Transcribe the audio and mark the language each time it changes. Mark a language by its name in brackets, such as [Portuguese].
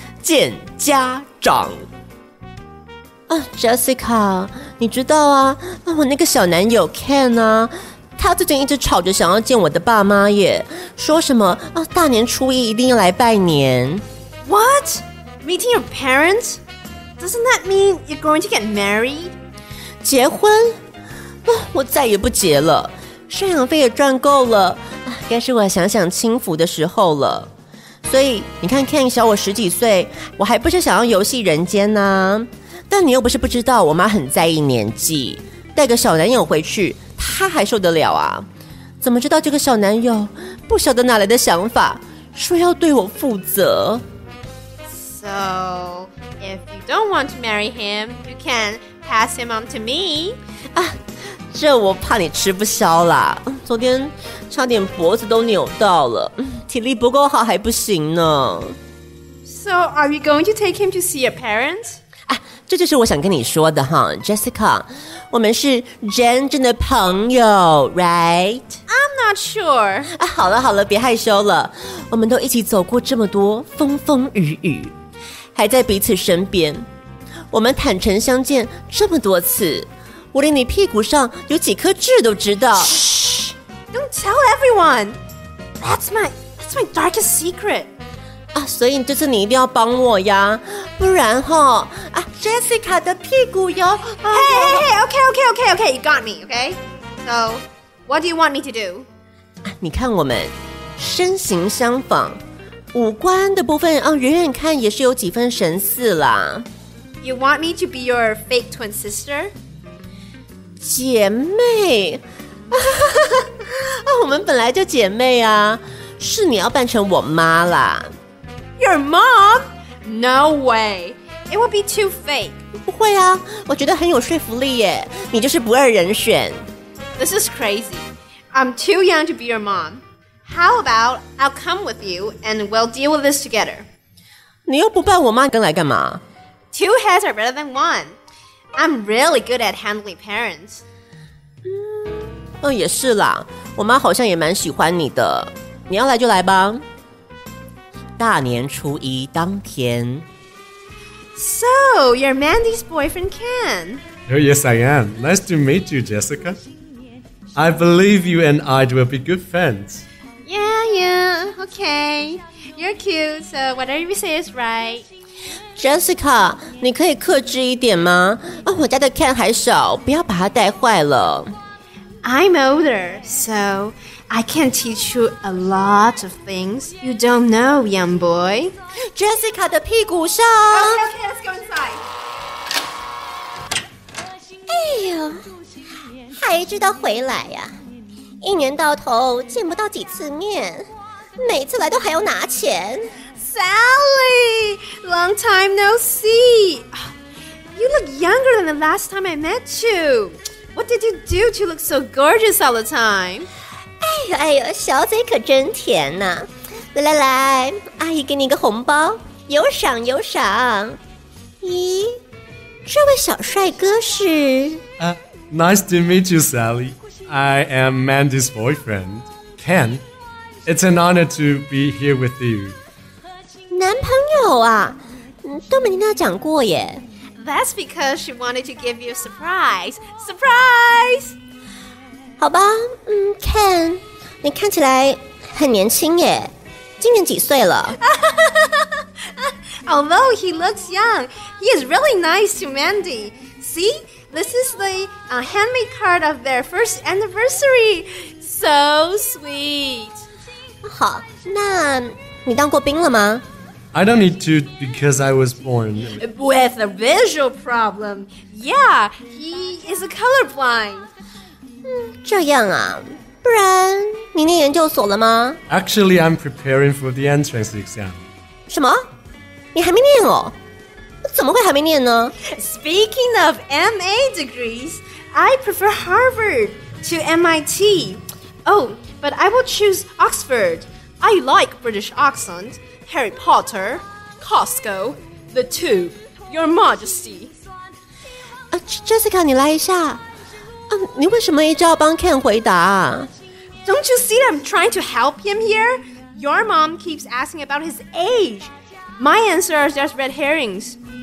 [Chinese] 见家长啊 ，Jessica， 你知道啊，我那个小男友 Ken 啊，他最近一直吵着想要见我的爸妈耶，说什么啊，大年初一一定要来拜年。 [English] What? Meeting your parents? Doesn't that mean you're going to get married? [Chinese] 结婚？我再也不结了，赡养费也赚够了，该是我享享清福的时候了。所以你看 Ken 小我10几岁，我还不是想要游戏人间呢、但你又不是不知道我妈很在意年纪，带个小男友回去她还受得了啊？怎么知道这个小男友不晓得哪来的想法说要对我负责？ [English] So if you don't want to marry him, you can pass him on to me、 [Chinese] 这我怕你吃不消啦，昨天差点脖子都扭到了，体力不够好还不行呢。 [English] So are you going to take him to see your parents? [Chinese] 这就是我想跟你说的哈 ，Jessica， 我们是真正的朋友 ， [English] right? I'm not sure. [Chinese] 好了好了，别害羞了，我们都一起走过这么多风风雨雨，还在彼此身边，我们坦诚相见这么多次，我连你屁股上有几颗痣都知道。 [English] Shh! Don't tell everyone. That's my darkest secret. [Chinese] 所以这次你一定要帮我呀，不然哈啊 ，Jessica 的屁股哟。 [English] Hey, okay, you got me, okay? So, what do you want me to do? [Chinese] 你看我们身形相仿，五官的部分啊，远远看也是有几分神似啦。 You want me to be your fake twin sister? 姐妹啊，我们本来就姐妹啊，是你要扮成我妈啦。 [English] Your mom? No way. It would be too fake. [Chinese] 不会啊，我觉得很有说服力耶，你就是不二人选。 [English] This is crazy. I'm too young to be your mom. How about I'll come with you and we'll deal with this together? [Chinese] 你又不扮我妈跟来干嘛？ [English] Two heads are better than one. I'm really good at handling parents. [Chinese] 嗯，也是啦，我妈好像也蛮喜欢你的。你要来就来吧。大年初一当天。 [English] So, you're Mandy's boyfriend, Ken. Oh, yes, I am. Nice to meet you, Jessica. I believe you and I will be good friends. Yeah, okay. You're cute, so whatever you say is right. [Chinese] Jessica, 你可以克制一点吗？哦，我家的 Ken 还小，不要把他带坏了。 [English] I'm older, so I can teach you a lot of things you don't know, young boy. [Chinese] Jessica 的屁股上。 [English] Okay, okay, let's go inside. [Chinese] 哎呦，还知道回来呀？一年到头见不到几次面，每次来都还要拿钱。 [English] Sally, long time no see. You look younger than the last time I met you. What did you do to look so gorgeous all the time? [Chinese] 哎呦哎呦，小嘴可真甜呐、啊！来来来，阿姨给你个红包，有赏有赏。咦，这位小帅哥是？ [English] Nice to meet you, Sally. I am Mandy's boyfriend, Ken. It's an honor to be here with you. [Chinese] 男朋友啊，都没听他讲过耶。 [English] That's because she wanted to give you a surprise. Surprise! [Chinese] 好吧，嗯 ，Ken， 你看起来很年轻耶，今年几岁了 [English] ？Although he looks young, he is really nice to Mandy. See, this is the handmade card of their first anniversary. So sweet. [Chinese] 好，那你当过兵了吗？ [English] I don't need to because I was born with a visual problem. Yeah, he is a colorblind. [Chinese] 这样啊，不然你念研究所了吗？ [English] Actually, I'm preparing for the entrance exam. [Chinese] 什么？你还没念哦？怎么会还没念呢？ [English] Speaking of MA degrees, I prefer Harvard to MIT. Oh, but I will choose Oxford. I like British accent. Harry Potter, Costco, The Tube, Your Majesty. [Chinese] Jessica, 你来一下。你为什么一直要帮 Ken 回答啊？ [English] Don't you see that I'm trying to help him here? Your mom keeps asking about his age. My answer is just red herrings.